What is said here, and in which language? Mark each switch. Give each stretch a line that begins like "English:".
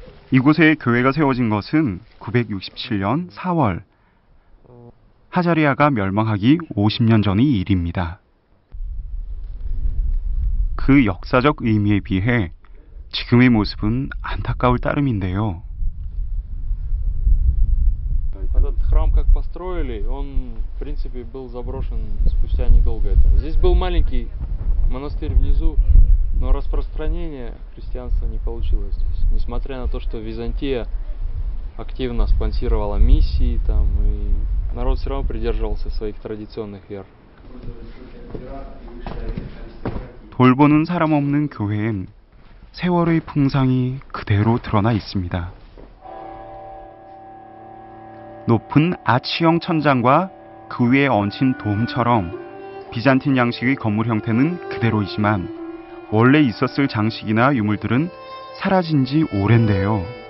Korean: 이곳에 교회가 세워진 것은 967년 4월 하자리아가 멸망하기 50년 전의 일입니다. 그 역사적 의미에 비해 지금의 모습은 안타까울 따름인데요. 이곳
Russian: храм как построили, он, в принципе, был заброшен спустя недолго. Здесь был маленький монастырь внизу, но распространение христианства не получилось здесь, несмотря на то, что Византия активно спонсировала миссии там, и народ всё равно придерживался своих традиционных вер.
Korean: 돌보는 사람 없는 교회엔 세월의 풍상이 그대로 드러나 있습니다. 높은 아치형 천장과 그 위에 얹힌 돔처럼 비잔틴 양식의 건물 형태는 그대로이지만 원래 있었을 장식이나 유물들은 사라진 지 오랜데요.